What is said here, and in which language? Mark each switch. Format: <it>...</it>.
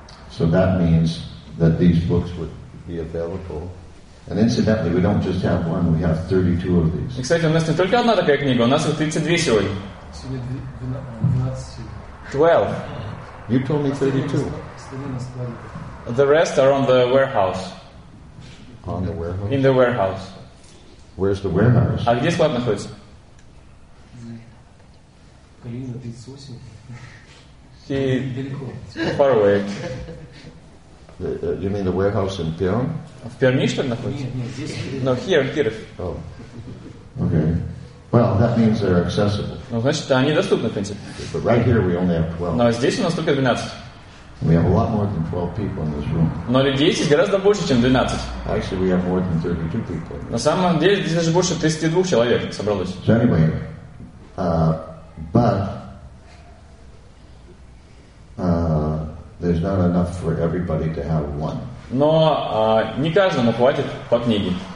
<en>So that means that these books would be available. And incidentally, we don't just have one, we have 32 of these.</en> <ru>И, кстати, у нас не только одна такая книга, у нас их 32 сегодня. Сегодня 12. 12.</ru> <en>You told me 32. The rest are on the warehouse. On the warehouse? In the warehouse. Where's the warehouse?</en> <ru>А где склад находится? Калина 38.</ru> <en>See,</en> <ru>далеко.</ru> <en>Far away. You mean the warehouse in Perm?</en> <ru>В Перми, что ли, находится?</ru> <en>No, here, in Kirov. Oh. Okay. Well, that means they're accessible.</en> <ru>Ну, значит, они доступны, в принципе.</ru> <en>But right here we only have 12.</en> <ru>Но здесь у нас только 12.</ru> <en>We have a lot more than 12 people in this room.</en> <ru>Но людей здесь гораздо больше, чем 12.</ru> <en>Actually, we have more than 32 people.</en> <ru>На самом деле, здесь даже больше 32 человек собралось.</ru> <en>So anyway, but there's not enough for everybody to have one.</en> <ru>Но не каждому хватит по книге.</ru>